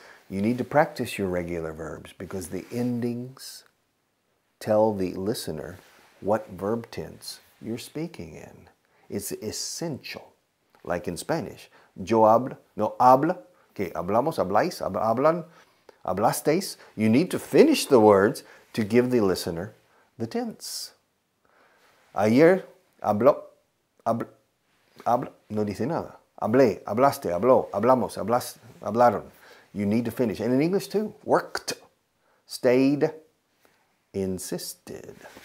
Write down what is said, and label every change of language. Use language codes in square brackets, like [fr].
[en] You need to practice your regular verbs because the endings tell the listener what verb tense you're speaking in. It's essential. Like in Spanish, [es] yo hablo, no habla, que hablamos, habláis, hablan, hablasteis. [en] You need to finish the words to give the listener the tense. [es] Ayer habló, no dice nada. Hablé, hablaste, habló, hablamos, hablaron. [en] You need to finish. And in English too. Worked, stayed, insisted.